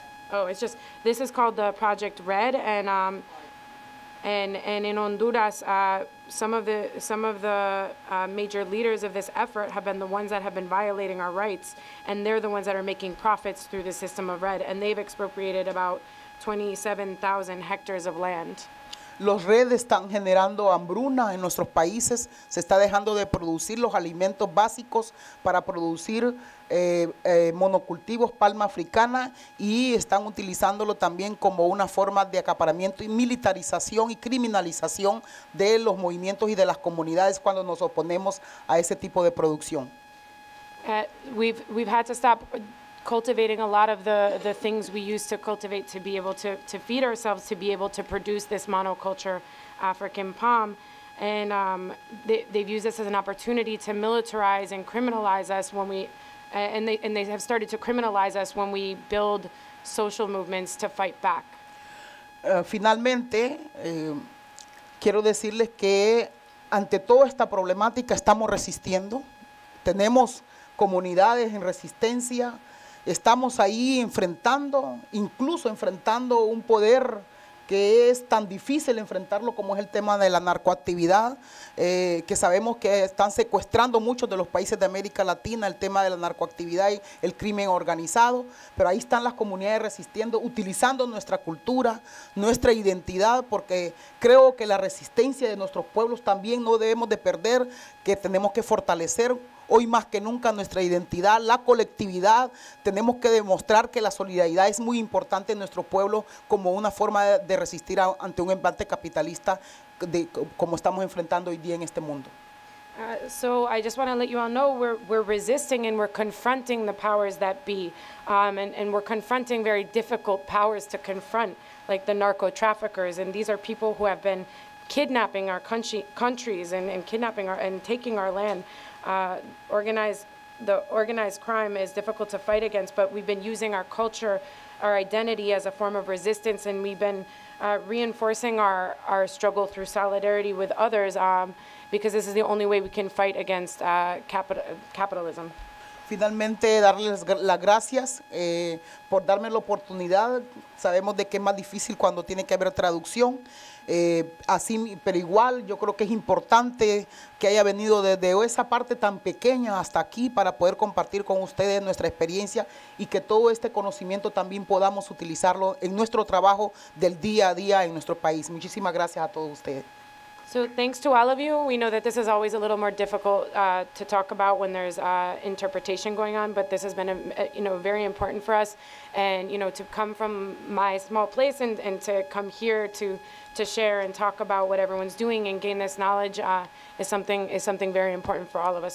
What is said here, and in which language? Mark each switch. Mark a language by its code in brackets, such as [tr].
[en] Oh, it's just, this is called the Project Red, and in Honduras, some of the major leaders of this effort have been the ones that have been violating our rights, and they're the ones that are making profits through the system of red, and they've expropriated about 27,000 hectares of land. [es] Los redes están generando hambruna en nuestros países. Se está dejando de producir los alimentos básicos para producir monocultivos, palma africana, y están utilizándolo también como una forma de acaparamiento y militarización y criminalización de los movimientos y de las comunidades cuando nos oponemos a ese tipo de producción. [en] We've had to stop cultivating a lot of the things we use to cultivate to be able to feed ourselves, to be able to produce this monoculture African palm. And they've used this as an opportunity to militarize and criminalize us when they have started to criminalize us when we build social movements to fight back. [es] Finalmente, quiero decirles que ante toda esta problemática estamos resistiendo. Tenemos comunidades en resistencia. Estamos ahí enfrentando, incluso enfrentando un poder que es tan difícil enfrentarlo como es el tema de la narcoactividad, que sabemos que están secuestrando muchos de los países de América Latina el tema de la narcoactividad y el crimen organizado, pero ahí están las comunidades resistiendo, utilizando nuestra cultura, nuestra identidad, porque creo que la resistencia de nuestros pueblos también no debemos de perder, que tenemos que fortalecer hoy más que nunca nuestra identidad, la colectividad. Tenemos que demostrar que la solidaridad es muy importante en nuestro pueblo como una forma de resistir ante un embate capitalista de, como estamos enfrentando hoy día en este mundo. [en] So I just want to let you all know we're resisting and we're confronting the powers that be, and we're confronting very difficult powers to confront, like the narco traffickers, and these are people who have been kidnapping our countries and kidnapping our and taking our land. The organized crime is difficult to fight against, but we've been using our culture, our identity as a form of resistance, and we've been reinforcing our struggle through solidarity with others, because this is the only way we can fight against capitalism. [es] Finalmente, darles las gracias por darme la oportunidad. Sabemos de que es más difícil cuando tiene que haber traducción. Así, pero igual, yo creo que es importante que haya venido desde esa parte tan pequeña hasta aquí para poder compartir con ustedes nuestra experiencia y que todo este conocimiento también podamos utilizarlo en nuestro trabajo del día a día en nuestro país. Muchísimas gracias a todos ustedes. [en] So thanks to all of you. We know that this is always a little more difficult to talk about when there's interpretation going on, but this has been very important for us. And you know, to come from my small place and to come here to share and talk about what everyone's doing and gain this knowledge is something very important for all of us.